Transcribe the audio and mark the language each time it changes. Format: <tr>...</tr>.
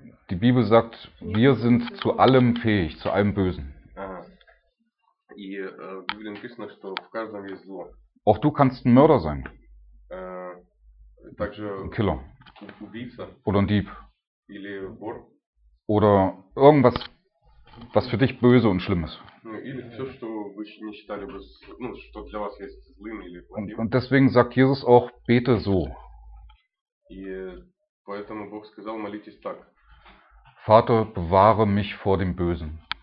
<de>Die Bibel sagt, wir sind zu allem fähig, zu allem Bösen.</de> <ru>в Библии написано, что в каждом есть зло.</ru> <de>Auch du kannst ein Mörder sein.</de> <ru>Также</ru> <de>ein Killer.</de> <ru>Убийца.</ru> <de>Oder ein Dieb.</de> <ru>Или вор.</ru> <de>Oder irgendwas, was für dich böse und schlimm ist.</de> <ru>Или все, что вы не считали бы, ну, что для вас есть злым или плохим.</ru> <de>Und deswegen sagt Jesus auch, bete so.</de> <ru>И поэтому Бог сказал, молитесь так.</ru> <de>Vater, bewahre mich vor dem Bösen.</de>